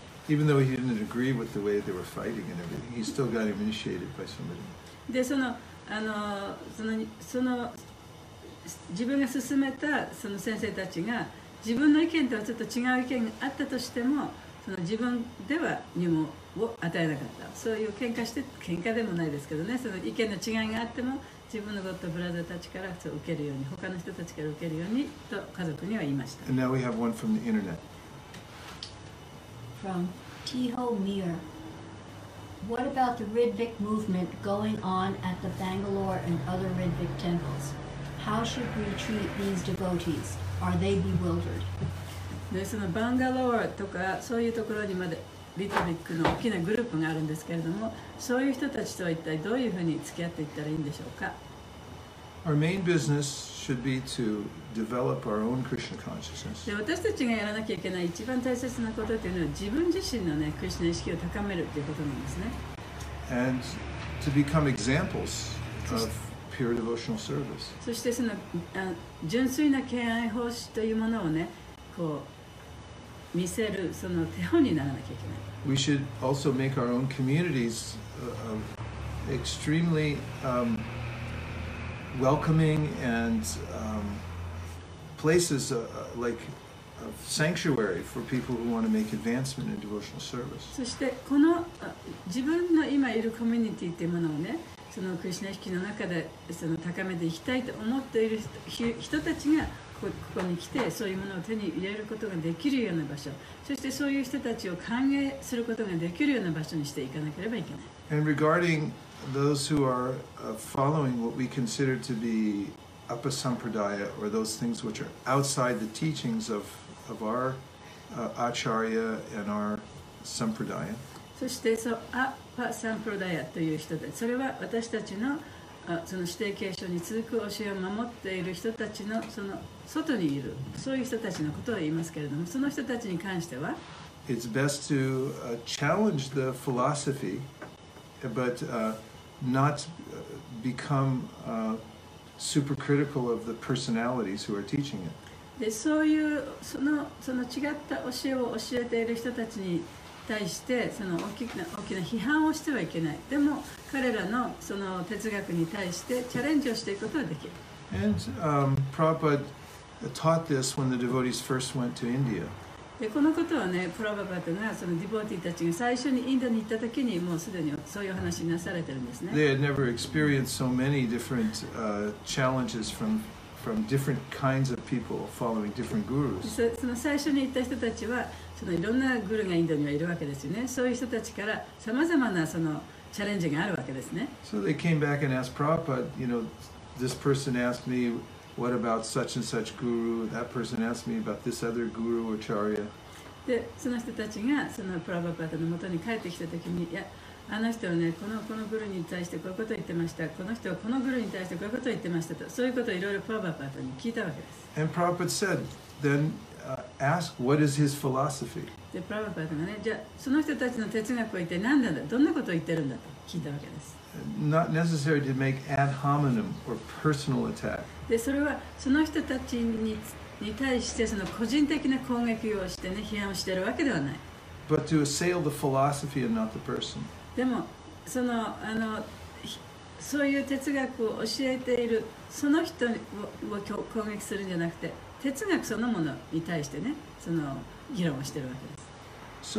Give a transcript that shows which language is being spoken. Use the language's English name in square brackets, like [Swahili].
[English] Even though he didn't agree with the way they were fighting and everything, he still got them initiated by somebody. [Japanese] で、その自分が勧めたその先生たちが、自分の意見とはちょっと違う意見があったとしても、その自分では入門を与えなかった。そういう喧嘩でもないですけどね、その意見の違いがあっても、自分のゴッドブラザーたちから受けるように、他の人たちから受けるようにと家族には言いました。 [English] And now we have one from the internet. From Tiho Mir. What about the Ridvik movement going on at the Bangalore and other Ridvik temples? How should we treat these devotees? Are they bewildered? [Japanese] でそのバンガロールとかそういうところにまでリトビックの大きなグループがあるんですけれども、そういう人たちとは一体どういうふうに付き合っていったらいいんでしょうか。 [English] Our main business should be to develop our own Krishna consciousness. [Japanese] で私たちがやらなきゃいけない一番大切なことというのは自分自身のねクリシナ意識を高めるということなんですね。 [English] And to become examples of pure devotional service. [Japanese] そしてその純粋な敬愛奉仕というものをね、こう見せるその手本にならなきゃいけない。 [English] We should also make our own communities extremely welcoming and places like of sanctuary for people who want to make advancement in devotional service. [Japanese] そしてこの自分の今いるコミュニティというものをね、そのクリシナ意識の中でその高めていきたいと思っている人たちがここに来て、そういうものを手に入れることができるような場所、そしてそういう人たちを歓迎することができるような場所にしていかなければいけない。 [English] And regarding those who are following what we consider to be Upasampradaya, or those things which are outside the teachings of our Acharya and our Sampradaya. [Japanese] そしてそのアパサンプロダヤという人で、それは私たちのその指定継承に続く教えを守っている人たちのその外にいる、そういう人たちのことを言いますけれども、その人たちに関しては、 [English] It's best to challenge the philosophy, but not become supercritical of the personalities who are teaching it. [Japanese] で、そういうその違った教えを教えている人たちに対してその大きな批判をしてはいけない。でも彼らのその哲学に対してチャレンジをしていくことはできる。 [English] And Prabhupada taught this when the devotees first went to India. [Japanese] で、このことはね、プラババタがそのディボーティーたちが最初にインドに行った時にもうすでにそういう話になされてるんですね。 [English] They had never experienced so many different challenges from different kinds of people following different gurus. [Japanese] その最初に行った人たちは、そのいろんなグルがインドにはいるわけですよね。そういう人たちからさまざまなそのチャレンジがあるわけですね。 [English] So they came back and asked Prabhupada, you know, this person asked me, what about such and such guru? That person asked me about this other guru or acharya. [Japanese] で、その人たちがそのプラバパタの元に帰ってきたときに、いや、あの人はね、このグルに対してこういうことを言ってました。この人はこのグルに対してこういうことを言ってましたと、そういうことをいろいろプラバパタに聞いたわけです。 [English] And Prabhupada said, then ask what is his philosophy. [Japanese] で、プラバパタがね、じゃあその人たちの哲学を言って何なんだ、どんなことを言ってるんだと聞いたわけです。 [English] Not necessary to make ad hominem or personal attack. [Japanese] で、それはその人たち に対してその個人的な攻撃をしてね、批判をしているわけではない。 [English] But to assail the philosophy and not the person. [Japanese] でも、その、そういう哲学を教えているその人 を攻撃するんじゃなくて、哲学そのものに対してね、その議論をしているわけです。